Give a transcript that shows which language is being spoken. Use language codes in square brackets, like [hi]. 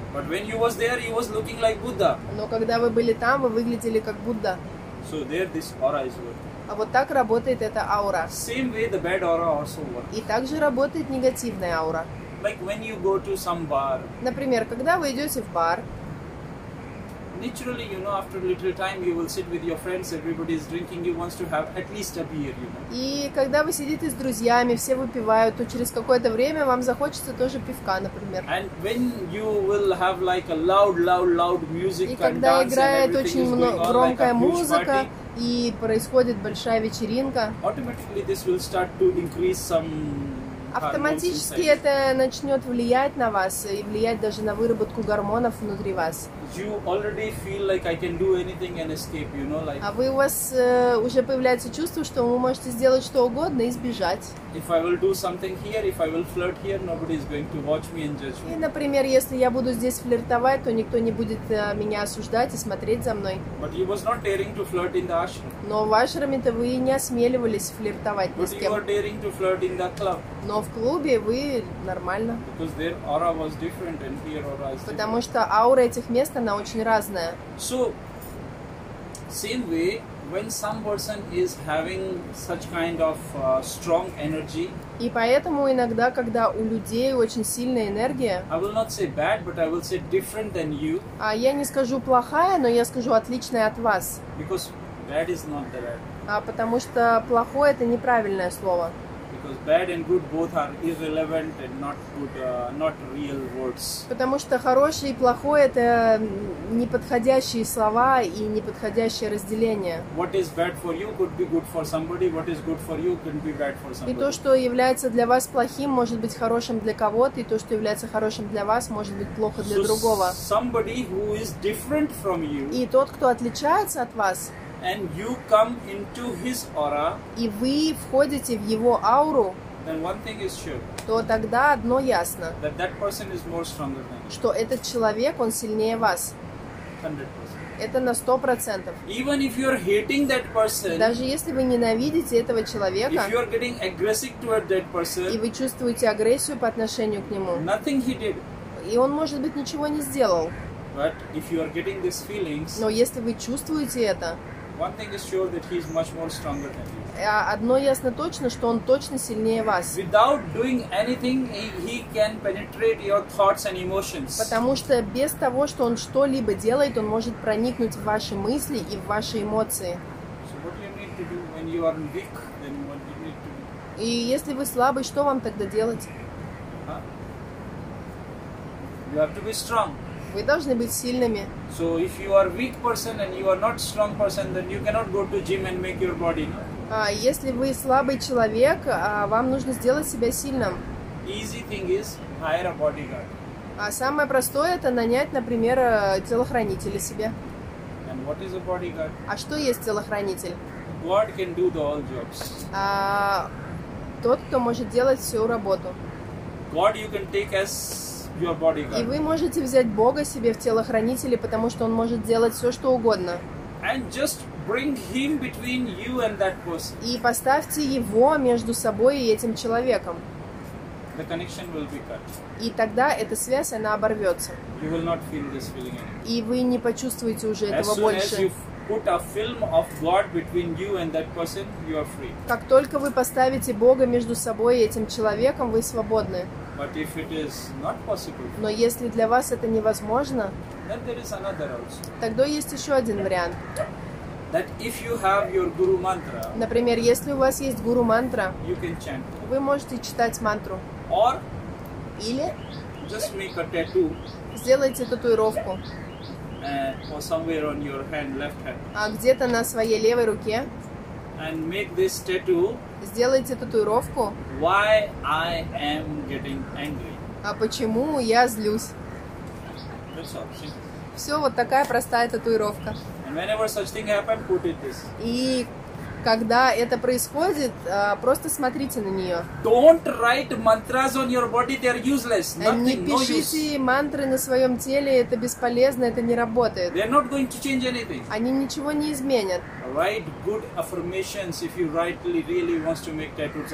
[en] But when you was there, you was looking like Buddha. [ru] Но когда вы были там, вы выглядели как Будда. [en] So there this aura is working. [ru] А вот так работает эта аура. [en] Same way the bad aura also works. [ru] И также работает негативная аура. [en] Like when you go to some bar. [ru] Например, когда вы идете в бар. [en] Literally, you know, after a little time, you will sit with your friends. Everybody is drinking. You wants to have at least a beer, you know. [ru] И когда вы сидите с друзьями, все выпивают, то через какое-то время вам захочется тоже пивка, например. [en] And when you will have like a loud, loud, loud music and dancing, everything is going on like a huge party. [ru] И когда играет очень громкая музыка и происходит большая вечеринка. [en] Automatically, this will start to increase some. [ru] Автоматически это начнет влиять на вас и влиять даже на выработку гормонов внутри вас. [en] You already feel like I can do anything and escape, you know, like. [ru] А вы у вас уже появляется чувство, что вы можете сделать что угодно и сбежать. [en] If I will do something here, if I will flirt here, nobody is going to watch me and judge me. [ru] И, например, если я буду здесь флиртовать, то никто не будет меня осуждать и смотреть за мной. [en] But you was not daring to flirt in the ashram. [ru] Но в ашраме-то вы не осмеливались флиртовать ни с кем. [en] But you were daring to flirt in the club. [ru] Но в клубе вы нормально. [en] Because their aura was different and here aura is different. [ru] Потому что аура этих мест она очень разная. [en] So, same way, when some person is having such kind of strong energy. [ru] И поэтому иногда, когда у людей очень сильная энергия. [en] I will not say bad, but I will say different than you. [ru] А я не скажу плохая, но я скажу отличная от вас. [en] Because bad is not the right. [ru] А потому что плохое это неправильное слово. [en] Because bad and good both are irrelevant and not good, not real words. [ru] Потому что хорошее и плохое это неподходящие слова и неподходящее разделение. [en] What is bad for you could be good for somebody. What is good for you can be bad for somebody. [ru] И то, что является для вас плохим, может быть хорошим для кого-то, и то, что является хорошим для вас, может быть плохо для другого. [en] So somebody who is different from you. [ru] И тот, кто отличается от вас. [en] And you come into his aura. [ru] И вы входите в его ауру. [en] Then one thing is sure. [ru] То тогда одно ясно. [en] That that person is more stronger than you. [ru] Что этот человек он сильнее вас. [en] 100%. [ru] Это на 100%. [en] Even if you're hating that person. [ru] Даже если вы ненавидите этого человека. [en] If you're getting aggressive toward that person. [ru] И вы чувствуете агрессию по отношению к нему. [en] Nothing he did. [ru] И он может быть ничего не сделал. [en] But if you are getting these feelings. [ru] Но если вы чувствуете это. [en] One thing is sure that he is much more stronger than you. [ru] Одно ясно точно, что он точно сильнее вас. [en] Without doing anything, he can penetrate your thoughts and emotions. [ru] Потому что без того, что он что-либо делает, он может проникнуть в ваши мысли и в ваши эмоции. [en] So what do you need to do when you are weak? Then what do you need to do? [ru] И если вы слабый, что вам тогда делать? [en] Huh? You have to be strong. [ru] Вы должны быть сильными. [en] So if you are weak person and you are not strong person, then you cannot go to gym and make your body, no? [ru] Если вы слабый человек, вам нужно сделать себя сильным. [en] Easy thing is hire a bodyguard. [ru] А самое простое — это нанять, например, телохранителя себе. [en] And what is a bodyguard? [ru] А что есть телохранитель? [en] God can do the all jobs. [ru] Тот, кто может делать всю работу. [en] God, you can take as your bodyguard. [ru] И вы можете взять Бога себе в телохранители, потому что Он может делать все, что угодно. [en] And just bring Him between you and that person. [ru] И поставьте Его между собой и этим человеком. [en] The connection will be cut. [ru] И тогда эта связь, она оборвется. [en] You will not feel this feeling anymore. [ru] И вы не почувствуете уже [en] as [ru] этого больше. [en] Put a film of God between you and that person, you are free. [ru] Как только вы поставите Бога между собой и этим человеком, вы свободны. [en] But if it is not possible, [ru] но если для вас это невозможно, [en] then there is another also. [ru] Тогда есть еще один вариант. [en] That if you have your guru mantra, [ru] например, если у вас есть гуру мантра, [en] you can chant. [ru] Вы можете читать мантру. [en] Or, [ru] или [en] just make a tattoo. [ru] Сделайте татуировку. [en] Or somewhere on your hand, left hand. [ru] А где-то на своей левой руке. [en] And make this tattoo. [ru] Сделайте татуировку. [en] Why I am getting angry. [ru] А почему я злюсь? [en] That's all, see? [ru] Все, вот такая простая татуировка. [en] And whenever such thing happens, put it this. [ru] И когда это происходит, просто смотрите на нее. [en] Don't write mantras on your body, they are useless. Nothing, [ru] не пишите Мантры на своем теле, это бесполезно, это не работает. [en] They are not going to change anything. [ru] Они ничего не изменят. [en] Write good affirmations if you rightly really want to make tattoos.